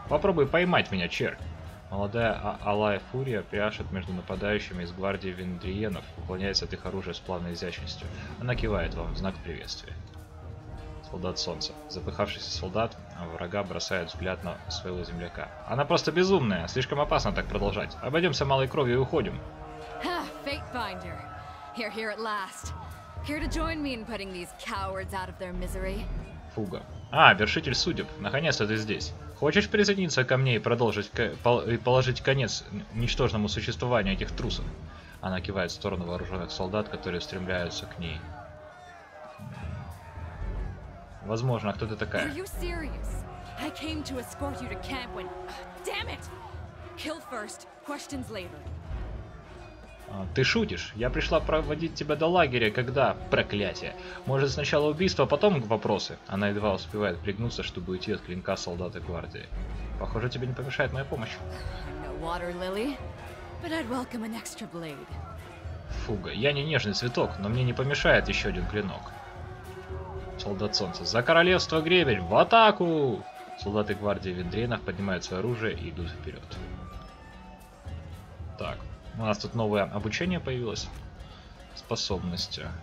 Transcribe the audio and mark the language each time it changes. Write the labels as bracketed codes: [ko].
[ru] Попробуй поймать меня, черт. Молодая Алая Фурия пряшет между нападающими из гвардии Вендриенов, уклоняясь от их оружия с плавной изящностью. Она кивает вам в знак приветствия. Солдат солнца. Запыхавшийся солдат врага бросает взгляд на своего земляка. Она просто безумная. Слишком опасно так продолжать. Обойдемся малой кровью и уходим. [en] Fatefinder. You're here at last. Here to join me in putting these cowards out of their misery. [ru] Фуга. А, вершитель судеб. Наконец-то ты здесь. Хочешь присоединиться ко мне и положить конец ничтожному существованию этих трусов? Она кивает в сторону вооруженных солдат, которые стремляются к ней. Возможно, а кто ты такая? [en] Are you serious? I came to escort you to camp when... Damn it! Kill first, questions later. [ru] Ты шутишь? Я пришла проводить тебя до лагеря, когда... Проклятие! Может, сначала убийство, а потом вопросы? Она едва успевает пригнуться, чтобы уйти от клинка солдата гвардии. Похоже, тебе не помешает моя помощь. [en] I'm no water lily, but I'd welcome an extra blade. [ru] Фуга, я не нежный цветок, но мне не помешает еще один клинок. Солдат солнца. За королевство гребень! В атаку! Солдаты гвардии Вендриенов поднимают свое оружие и идут вперед. Так. У нас тут новое обучение появилось. Способности.